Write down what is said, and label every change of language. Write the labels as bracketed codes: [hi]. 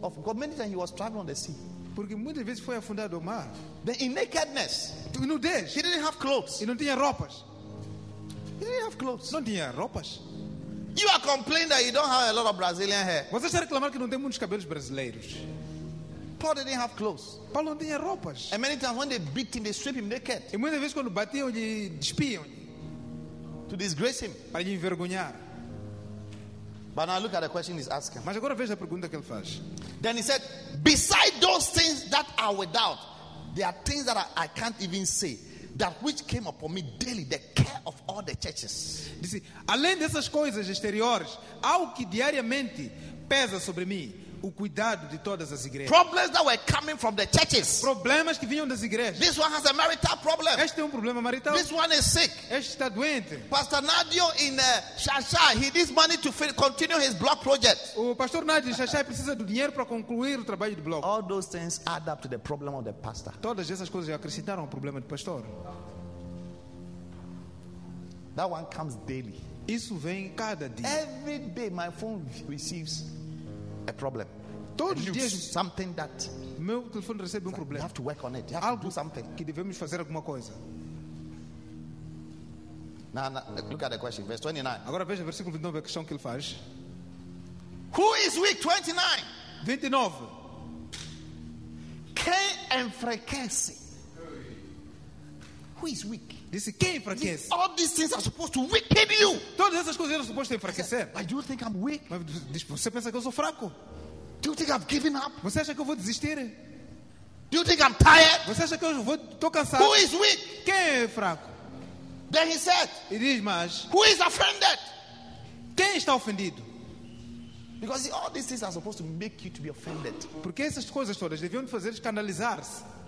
[en] Often, because many times he was traveling on the sea. [pt] Porque muitas vezes foi afundado no mar. [en] Then in nakedness, [pt] nudez. [en] He didn't have clothes. [pt] E não tinha roupas. [en] He didn't have clothes. [pt] Não tinha roupas. [en] You are complaining that you don't have a lot of Brazilian hair. [pt] Você está reclamando que não tem muitos cabelos brasileiros. [en] Paul didn't have clothes. [pt] Paulo não tinha roupas. [en] And many times when they beat him, they sweep him naked. [pt] E muitas vezes quando batiam, lhe despiam. [en] To disgrace him. [pt] Para lhe envergonhar. [en] But now look at the question he's asking. [pt] Mas agora veja a pergunta que ele faz. [en] Then he said, beside those things that are without, there are things that I can't even say. That which came upon me daily, the care of all the churches. [pt] Disse, além dessas coisas exteriores, há o que diariamente pesa sobre mim, o cuidado de todas as igrejas. [en] Problems that were coming from the churches. [pt] Problemas que vinham das igrejas. [en] This one has a marital problem. [pt] Este é problema marital. [en] This one is sick. [pt] Este está doente. [en] Pastor Nadio in Shasha, he needs money to continue his block project. [pt] O pastor Nadio em Shasha precisa do dinheiro para concluir o trabalho de bloco. [en] All those things add up to the problem of the pastor. [pt] Todas essas coisas acrescentaram ao problema do pastor. [en] That one comes daily. [pt] Isso vem cada dia. [en] Every day my phone receives a problem. [pt] Todos os dias [en] something that [pt] meu telefone recebe um problema. [en] You have to work on it. You have [pt] algo [en] to do something. [pt] Que devemos fazer alguma coisa. [en] Now, look at the question, verse 29. [pt] Agora veja versículo 29 a questão que ele faz. [en] Who is weak? 29. 29. [pt] Quem enfraquece? [en] Who is weak? [pt] Disse, quem enfraquece? [en] All these things are supposed to weaken you. [pt] Todas essas coisas eram supostas enfraquecer. [en] Why do you think I'm weak? [pt] Mas você pensa que eu sou fraco? [en] Do you think I've given up? [pt] Você acha que eu vou desistir? [en] Do you think I'm tired? [pt] Você acha que eu estou cansado? [en] Who is weak? [pt] Quem é fraco? [en] Then he said. [pt] E diz mais. [en] Who is offended? [pt] Quem está ofendido? [en] Because all these things are supposed to make you to be offended. [pt] Porque essas coisas todas deviam fazer escandalizar-se.